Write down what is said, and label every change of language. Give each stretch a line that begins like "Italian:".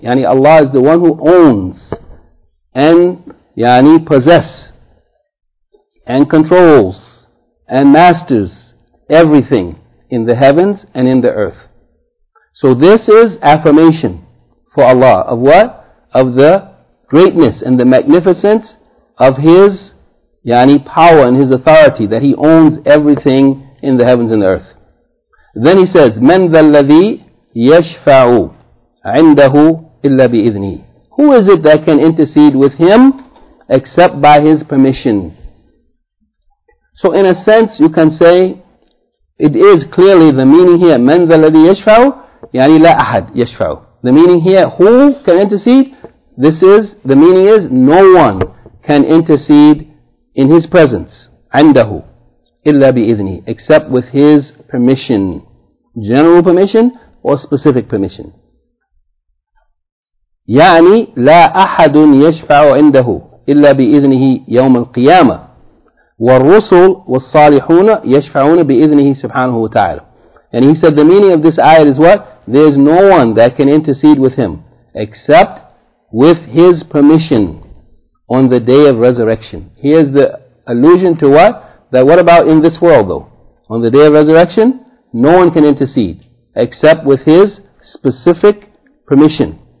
English: يعني Allah is the one who owns and yani possess and controls and masters everything in the heavens and in the earth. So this is affirmation for Allah of what? Of the greatness and the magnificence of His yani power and His authority, that He owns everything in the heavens and the earth. Then He says,
Arabic: من ذا الذي يشفع عنده إلا بإذنه.
English: Who is it that can intercede with Him except by His permission? So in a sense, you can say, it is clearly the meaning here,
Arabic: مَنْ ذَا الَّذِي يَشْفَعُ يَعْنِي لَا أَحَدْ يَشْفَعُ.
English: The meaning here, who can intercede? This is, the meaning is, no one can intercede in His presence,
Arabic: عَنْدَهُ إِلَّا بِإِذْنِهِ,
English: except with His permission, general permission or specific permission.
Arabic: يعني لا أحد يشفع عنده إلا بإذنه يوم القيامة والرسل والصالحون يشفعون بإذنه سبحانه وتعالى.
English: And he said the meaning of this ayah is what? There is no one that can intercede with him except with his permission on the day of resurrection. Here's the allusion to what? That what about in this world though? On the day of resurrection, no one can intercede except with his specific permission.